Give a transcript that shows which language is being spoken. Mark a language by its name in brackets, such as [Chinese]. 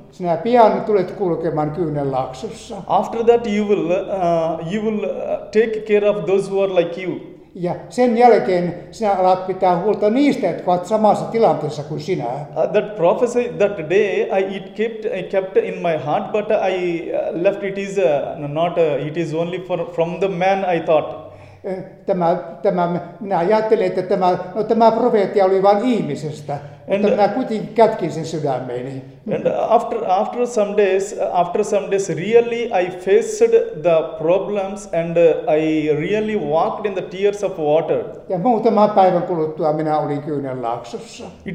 [Finnish] Sinä pian tulet kulkemaan kyynelaaksossa. [English] After that you will take care of those who are like you. [Finnish] Ja sen jälkeen sinä alat pitää huolta niistä, jotka ovat samassa tilanteessa kuin sinä. [English] That prophecy, that day, I kept in my heart, but I left it is not, it is only for, from the man, I thought. [Finnish] Tämä, minä ajattelin, että tämä, no, tämä profeetia oli vain ihmisestä, mutta minä kuitenkin kätkin sen sydämeeni. [English] And after some days, really I faced the problems and I really walked in the tears of water. [Finnish] Ja muutama päivän kuluttua minä olin kyynelaaksossa.